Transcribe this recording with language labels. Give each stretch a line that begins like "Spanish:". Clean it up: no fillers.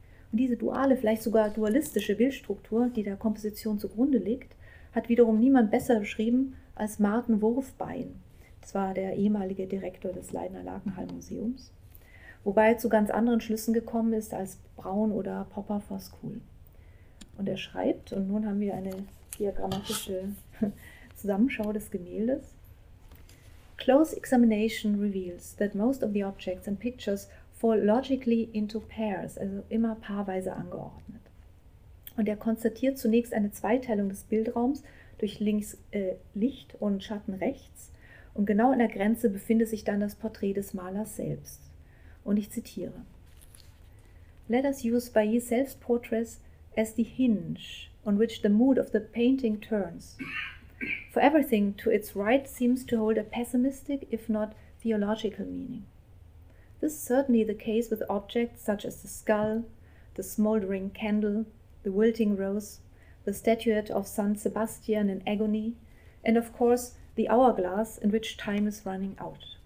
German: Und diese duale, vielleicht sogar dualistische Bildstruktur, die der Komposition zugrunde liegt, hat wiederum niemand besser beschrieben als Maarten Wurfbein, zwar der ehemalige Direktor des Leidener Lakenhall Museums, wobei er zu ganz anderen Schlüssen gekommen ist als Braun oder Popper vor Skool. Und er schreibt, und nun haben wir eine diagrammatische Zusammenschau des Gemäldes.
English: Close examination reveals that most of the objects and pictures fall logically into pairs,
German: also immer paarweise angeordnet. Und er konstatiert zunächst eine Zweiteilung des Bildraums durch links, Licht und Schatten rechts. Und genau an der Grenze befindet sich dann das Porträt des Malers selbst. Und ich zitiere:
English: Let us use Bailly's self-portraits as the hinge on which the mood of the painting turns. For everything to its right seems to hold a pessimistic, if not theological, meaning. This is certainly the case with objects such as the skull, the smoldering candle, the wilting rose, the statuette of Saint Sebastian in agony, and of course the hourglass in which time is running out.